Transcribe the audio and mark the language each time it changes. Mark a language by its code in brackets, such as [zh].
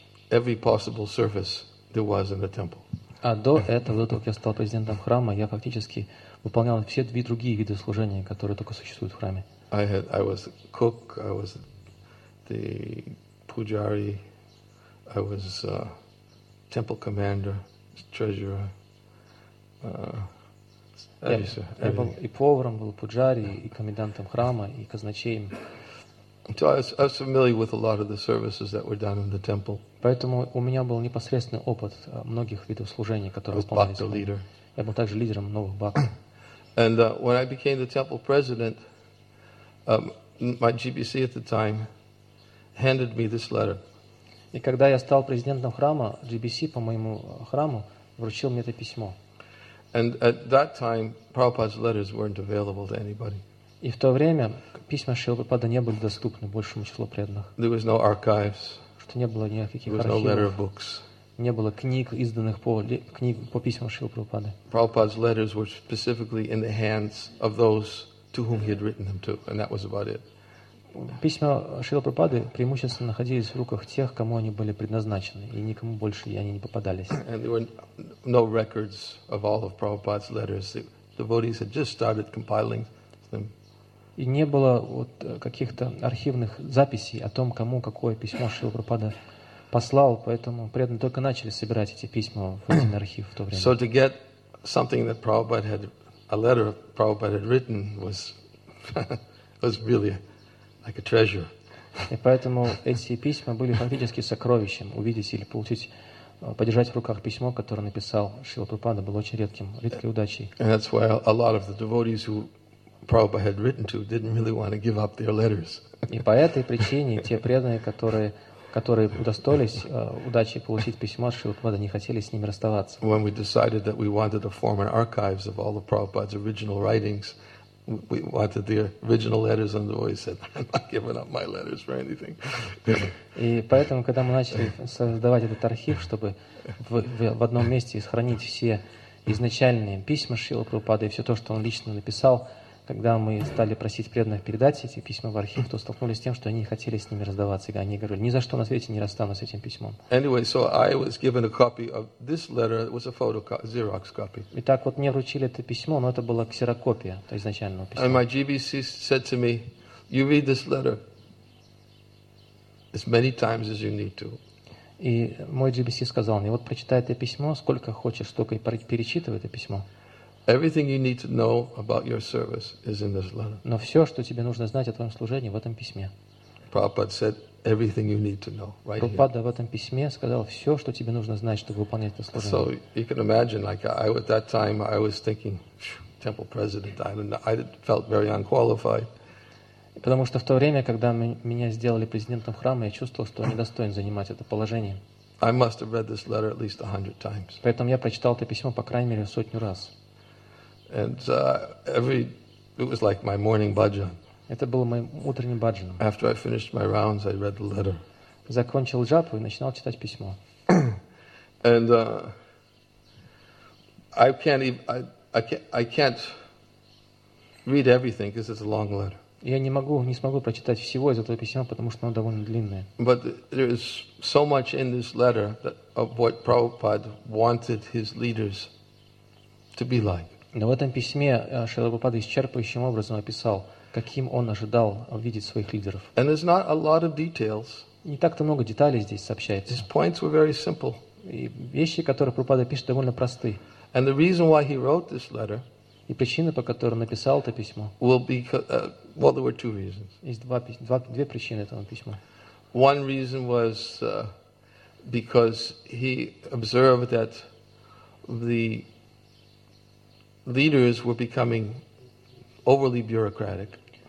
[en] every possible service there was in the temple. [ru] А до этого, до того, как я стал президентом храма, я фактически выполнял все две другие виды служения, которые только существуют в храме. [en] I was the cook, I was the pujari, I was temple commander, treasurer. [ru] Я был и поваром, был пуджари, и комендантом храма, и казначеем. [en] So I was familiar with a lot of the services that were done in the temple. [ru] Поэтому у меня был непосредственный опыт многих видов служений, которые выполнялись. Я был также лидером новых бак. [en] And when I became the temple president, my GBC at the time handed me this letter. [ru] И когда я стал президентом храма, GBC по моему храму вручил мне это письмо. [en] And at that time, Prabhupada's letters weren't available to anybody. [ru] И в то время письма Шрилы Прабхупады не были доступны большему числу преданных. [en] There was no archives. [ru] Что не было никаких архивов. [en] There was no letter books. [ru] Не было книг, изданных по книг по письмам Шрилы Прабхупады. [en] Prabhupada's letters were specifically in the hands of those to whom he had written them to, and that was about it. [ru] Письма Шрилы Прабхупады преимущественно находились в руках тех, кому они были предназначены, и никому больше они не попадались. [en] And there were no records of all of Prabhupada's letters. The devotees had just started compiling them. [ru] И не было вот каких-то архивных записей о том, кому какое письмо Шрилы Прабхупада послал, поэтому преданные только начали собирать эти письма в один архив в то время. [en] So to get something that Prabhupada had, a letter Prabhupada had written was was really like a treasure. [ru] И поэтому эти письма были фактически сокровищем. Увидеть или получить, подержать в руках письмо, которое написал Шрила Прабхупада, было очень редким, редкой удачей. [en] And that's why a lot of the devotees who Prabhupada had written to didn't really want to give up their letters. [ru] И по этой причине те преданные, которые удостоились удачи получить письмо Шрилы Прабхупады, не хотели с ними расставаться. [en] When we decided that we wanted to form an archives of all of Prabhupada's original writings, we wanted the original letters, and the voice said, "I'm not giving up my letters for anything." [ru] И поэтому, когда мы начали создавать этот архив, чтобы в одном месте сохранить все изначальные письма Шрилы Прабхупады и все то, что он лично написал, когда мы стали просить преданных передать эти письма в архив, то столкнулись с тем, что они не хотели с ними раздаваться. И они говорили, ни за что на свете не расстанусь с этим письмом. [en] Anyway, so I was given a copy of this letter. It was a photocopy, Xerox copy. [ru] Итак, вот мне вручили это письмо, но это была ксерокопия изначального письма. [en] And my GBC said to me, "You read this letter as many times as you need to." [ru] И мой GBC сказал мне, вот прочитай это письмо, сколько хочешь, столько и перечитывай это письмо. [en] Everything you need to know about your service is in this letter. [ru] Но все, что тебе нужно знать о твоем служении, в этом письме. [en] Prabhupada said everything you need to know right here. [ru] Прабхупада в этом письме сказал все, что тебе нужно знать, чтобы выполнять это служение. [en] So you can imagine, like I at that time, I was thinking, temple president, I felt very unqualified. [ru] Потому что в то время, когда меня сделали президентом храма, я чувствовал, что недостоин занимать это положение. [en] I must have read this letter at least 100 times. [ru] Поэтому я прочитал это письмо по крайней мере сотню раз. [en] And it was like my morning bhajan. [ru] Это было моим утренним бхаджаном. [en] After I finished my rounds, I read the letter. [ru] Закончил джапу и начинал читать письмо. [en] And I can't read everything because it's a long letter. [ru] Я не смогу прочитать всего из этого письма, потому что оно довольно длинное. [en] But there is so much in this letter that of what Prabhupada wanted his leaders to be like. [ru] Но в этом письме Шрила Прабхупада исчерпывающим образом описал, каким он ожидал видеть своих лидеров. [en] And there's not a lot of details. [ru] Не так-то много деталей здесь сообщается. [en] His points were very simple. [ru] И вещи, которые Прабхупада пишет, довольно просты. [en] And the reason why he wrote this letter. [ru] И причина, по которой написал это письмо. [en] Will be well, there were two reasons. [ru] Есть две причины этого письма. [en] One reason was because he observed that the leaders were becoming overly bureaucratic.